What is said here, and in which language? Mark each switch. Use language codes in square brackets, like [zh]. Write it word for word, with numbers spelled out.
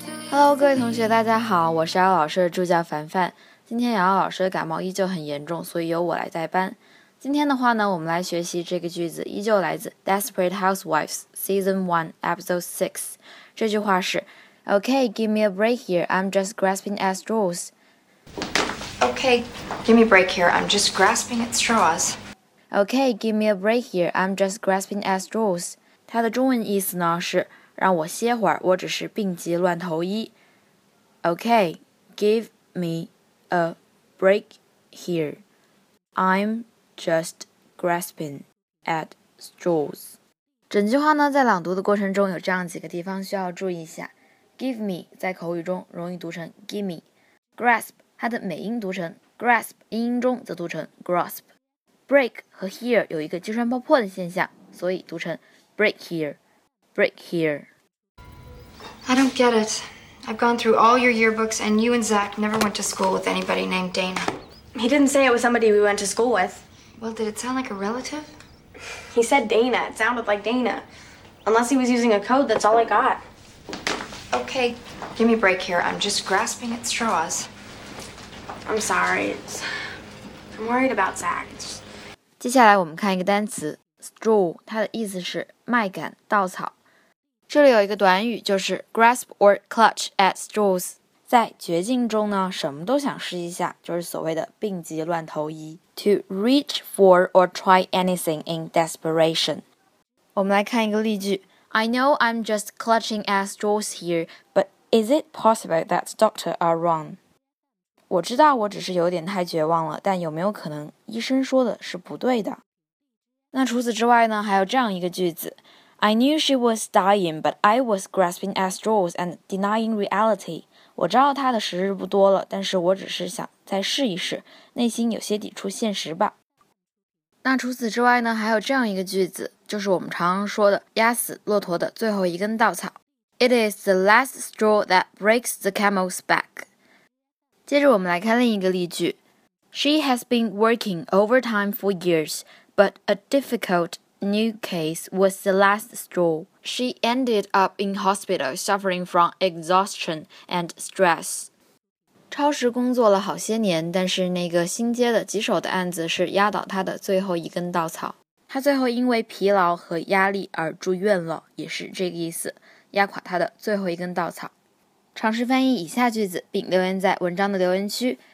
[zh] Hello， 各位同学，大家好，我是姚老师的助教凡凡。今天姚老师感冒依旧很严重，所以由我来代班。今天的话呢，我们来学习这个句子，依旧来自《Desperate Housewives》Season One Episode Six。这句话是 [en] ：Okay, give me a break here. I'm just grasping at straws. Okay, give me a break here. I'm just grasping at straws. Okay, give me a break here. I'm just grasping at straws. [zh] 它的中文意思呢是。让我歇会儿，我只是病急乱投医。 [en] Okay, give me a break here. I'm just grasping at straws. [zh] 整句话呢，在朗读的过程中有这样几个地方需要注意一下。 Give me 在口语中容易读成 gimme。Grasp 它的美音读成 grasp， 英音中则读成 grasp。 Break 和 here 有一个击穿爆破的现象，所以读成 break here。 [en] Break here. I don't get it. I've gone through all your yearbooks, and you and Zach never went to school with anybody named Dana. He didn't say it was somebody we went to school with. Well, did it sound like a relative? He said Dana. It sounded like Dana. Unless he was using a code, that's all I got. Okay, give me a break here. I'm just grasping at straws. I'm sorry. It's... I'm worried about Zach. Just... [zh] 接下来我们看一个单词 straw， 它的意思是麦秆、稻草。这里有一个短语，就是 grasp or clutch at straws。在绝境中呢，什么都想试一下，就是所谓的病急乱投医。 [en] To reach for or try anything in desperation。 [zh] 我们来看一个例句 [en] ：I know I'm just clutching at straws here, but is it possible that doctors are wrong？ [zh] 我知道我只是有点太绝望了，但有没有可能医生说的是不对的？那除此之外呢，还有这样一个句子。 [en] I knew she was dying, but I was grasping at straws and denying reality. [zh] 我知道她的时日不多了，但是我只是想再试一试，内心有些抵触现实吧。那除此之外呢，还有这样一个句子，就是我们常常说的压死骆驼的最后一根稻草。 [en] It is the last straw that breaks the camel's back. [zh] 接着我们来看另一个例句。 [en] She has been working overtime for years, but a difficult new case was the last straw. She ended up in hospital suffering from exhaustion and stress. [zh] 超时工作了好些年，但是那个新接的棘手的案子是压倒她的最后一根稻草。她最后因为疲劳和压力而住院了，也是这个意思，压垮她的最后一根稻草。尝试翻译以下句子，并留言在文章的留言区。